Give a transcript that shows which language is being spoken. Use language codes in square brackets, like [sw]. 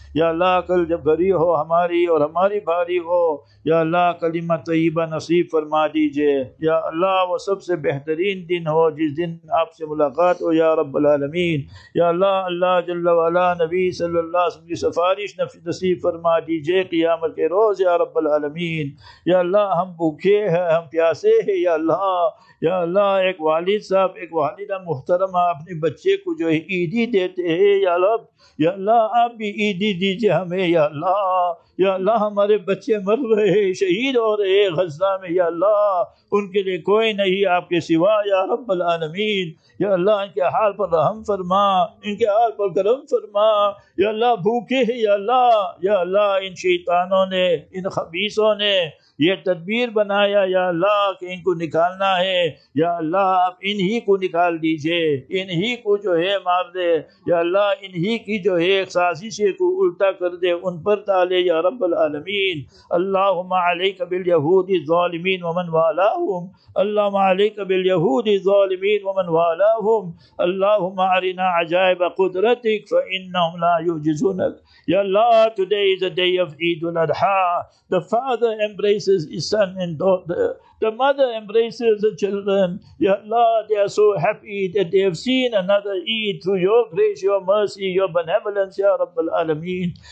[ur] Ya Allah, kal jab bari ho hamari aur hamari bari ho, ya Allah, kalima tayyiba naseeb farma dijiye. Ya Allah, wo sabse behtareen din ho jis din aapse mulaqat ho, ya Rab al-alamin. Ya Allah, Allah jalla wa ala نبی صلی اللہ علیہ وسلم کی سفارش نصیب فرما دیجئے قیامت کے روز یا رب العالمین. یا اللہ ہم بھوکے ہیں, ہم پیاسے ہیں, یا اللہ, یا اللہ ایک والد صاحب, ایک والدہ محترمہ اپنے بچے کو جو عیدی دیتے ہیں, یا رب, یا اللہ آپ بھی عیدی دیجئے ہمیں, یا اللہ. یا اللہ ہمارے بچے مر رہے ہیں, شہید ہو رہے ہیں غزہ میں, یا اللہ ان کے لیے کوئی نہیں آپ کے سوا, یا رب العالمین. یا اللہ ان کے حال پر رحم فرما, ان کے حال پر کرم فرما. یا اللہ بھوکے ہیں, یا اللہ, یا اللہ ان شیطانوں نے, ان خبیثوں نے یہ تدبیر بنایا, یا اللہ, کہ ان کو نکالنا ہے. یا اللہ آپ انہی کو نکال دیجئے, انہی کو جو ہے مار دے. یا اللہ انہی کی جو ہے سازش کو الٹا کر دے, ان پر تالے, یا رب العالمین. [ar] اللہم علیک بالیہودی ظالمین ومن والاہم, اللہم علیک بالیہودی ظالمین ومن والاہم. اللہم ارنا عجائب قدرتک فإنہم لا یعجزونک. [en] یا اللہ, today is a day of Eid al-Adha. The father embraces his son and daughter. The mother embraces the children. Ya Allah, they are so happy that they have seen another Eid through your grace, your mercy, your benevolence, ya Rabbul Alameen.